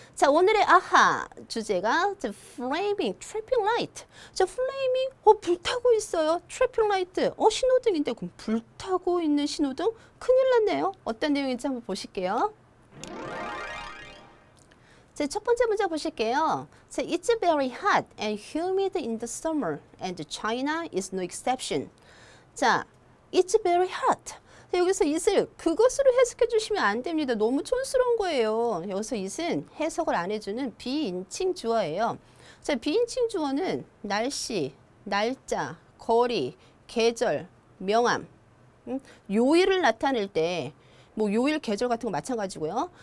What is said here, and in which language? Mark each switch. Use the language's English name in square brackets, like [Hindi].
[Korean] 자, 오늘의 아하 주제가 [English] The Flaming Traffic Light. [Korean] 자, Flaming, 불타고 있어요. Traffic Light, 신호등인데 그럼 불타고 있는 신호등? 큰일 났네요. 어떤 내용인지 한번 보실게요. 자, 첫 번째 문제 보실게요. [English] 자, It's very hot and humid in the summer and China is no exception. 자, It's very hot. [Korean] 여기서 it을 그것으로 해석해 주시면 안 됩니다. 너무 촌스러운 거예요. 여기서 it은 해석을 안 해주는 비인칭 주어예요. 자, 비인칭 주어는 날씨, 날짜, 거리, 계절, 명암, 요일을 나타낼 때, 요일, 계절 같은 거 마찬가지고요.